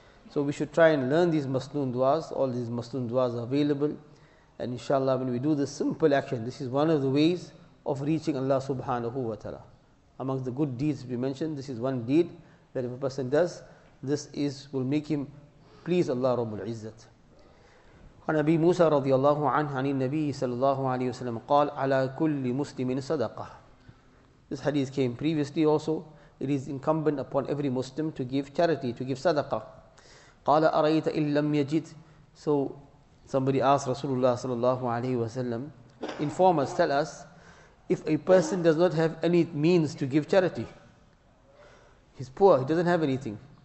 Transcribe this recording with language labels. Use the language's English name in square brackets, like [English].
[English] So we should try and learn these masnoon du'as. All these masnoon du'as are available. And inshallah, when we do this simple action, this is one of the ways of reaching Allah subhanahu wa ta'ala. Among the good deeds we mentioned, this is one deed that if a person does, this is will make him please Allah Rabbul Izzat. [Arabic] عن أبي موسى رضي الله عنه عن النبي صلى الله عليه وسلم قال على كل مسلم صدقة. [English] This hadith came previously also. It is incumbent upon every Muslim to give charity, to give sadaqah. [Arabic] قال أرأيت إن لم يجد. [English] So somebody asked Rasulullah صلى الله عليه وسلم, inform us, tell us, if a person does not have any means to give charity, he's poor, he doesn't have anything.